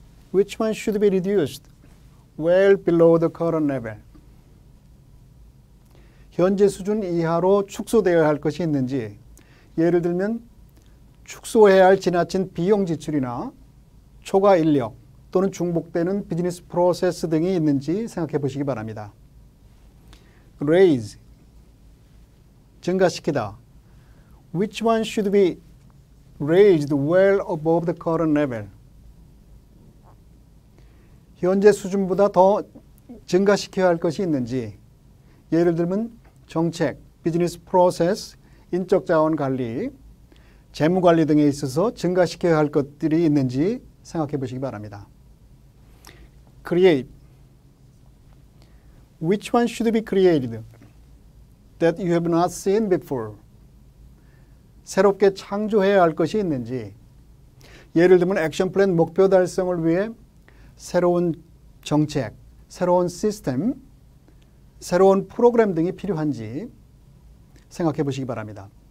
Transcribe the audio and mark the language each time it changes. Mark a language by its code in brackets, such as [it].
[en] Which one should be reduced well below the current level? [ko] 현재 수준 이하로 축소되어야 할 것이 있는지, 예를 들면 축소해야 할 지나친 비용 지출이나 초과 인력 또는 중복되는 비즈니스 프로세스 등이 있는지 생각해 보시기 바랍니다. [en] Raise, [ko] 증가시키다. [en] Which one should be raised well above the current level? [ko] 현재 수준보다 더 증가시켜야 할 것이 있는지, 예를 들면 정책, 비즈니스 프로세스, 인적 자원 관리, 재무 관리 등에 있어서 증가시켜야 할 것들이 있는지 생각해 보시기 바랍니다. [en] Create. Which one should be created that you have not seen before? [ko] 새롭게 창조해야 할 것이 있는지, 예를 들면 액션 플랜 목표 달성을 위해 새로운 정책, 새로운 시스템, 새로운 프로그램 등이 필요한지 생각해 보시기 바랍니다.